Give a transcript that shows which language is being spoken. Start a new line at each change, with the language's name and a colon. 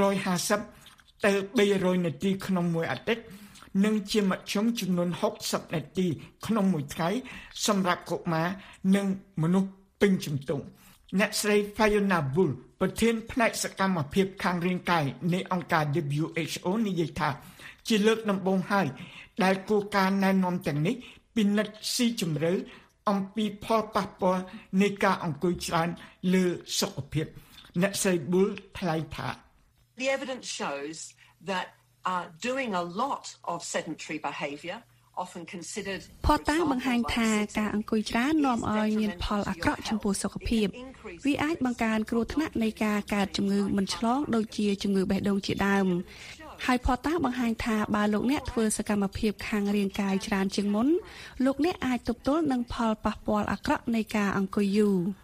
Khmer: 150ទៅ300នាទីក្នុងមួយអាទិត្យនិងជាមធ្យមចំនួន60នាទីក្នុងមួយថ្ងៃសម្រាប់កុមារនិងមនុស្សពេញជំទង់អ្នកស្រី Fiona Bull ប្រធានផ្នែកសកម្មភាពខាងរាងកាយនៃអង្គការ WHO និយាយថាជាលើកដំបូងហើយដែលគោលការណ៍ណែនាំទាំងនេះពិនិត្យស៊ីជម្រៅអំពីផលប៉ះពាល់នៃការអង្គុយច្រើនលើសុខភាពអ្នកស្រី Bull ថ្លែងថា
English: The evidence shows that doing a lot of sedentary behavior often considered
Khmer: ផលតាមបង្ហាញថាការអង្គុយច្រើននាំឲ្យមានផលអាក្រក់ចំពោះសុខភាពវាអាចបង្កើនគ្រោះថ្នាក់នៃការកើតជំងឺមិនឆ្លងដូចជាជំងឺបេះដូងជាដើមហើយផតាបង្ហាញថាបើលោកអ្នកធ្វើសកម្មភាពខាងរាងកាយច្រើនជាងមុនលោកអ្នកអាចទប់ទល់នឹងផលប៉ះពាល់អាក្រក់នៃការអង្គុយយូរ